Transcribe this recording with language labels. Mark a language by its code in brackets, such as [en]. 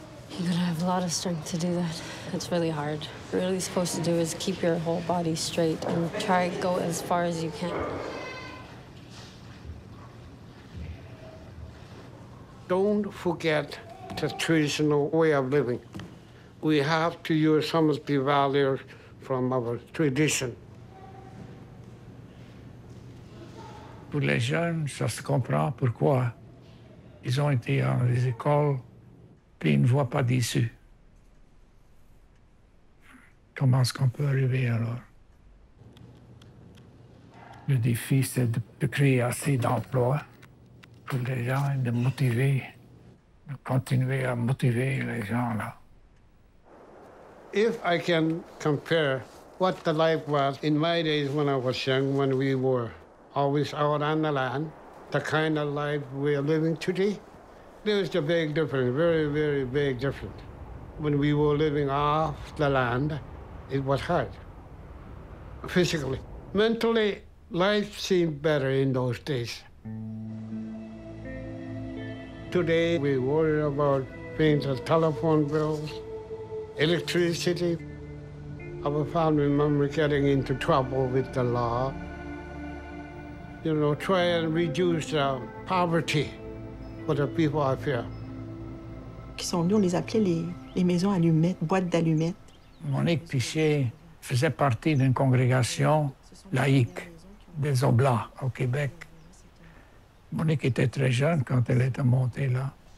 [en] You gotta have a lot of strength to do that. It's really hard. What you're really supposed to do is keep your whole body straight and try to go as far as you can. Don't forget the traditional way of living. We have to use some of the values from our tradition. [fr] Pour les jeunes, ça se comprend pourquoi. Ils ont été dans les écoles, puis ils ne voient pas d'issue. Comment est-ce qu'on peut arriver alors? Le défi, c'est de créer assez d'emplois pour les gens et de motiver, de continuer à motiver les gens là. [en] If I can compare what the life was in my days when I was young, when we were always out on the land, the kind of life we are living today, there's a big difference, very, very big difference. When we were living off the land, it was hard, physically. Mentally, life seemed better in those days. Today, we worry about things like telephone bills, electricity. Our family member getting into trouble with the law. You know, try and reduce the poverty for the people out here. [fr] Qui sont nous, on les appelait les maisons allumettes, boîtes d'allumettes. Monique Pichet faisait partie d'une congrégation laïque des Oblats au Québec. Monique était très jeune quand elle était montée là.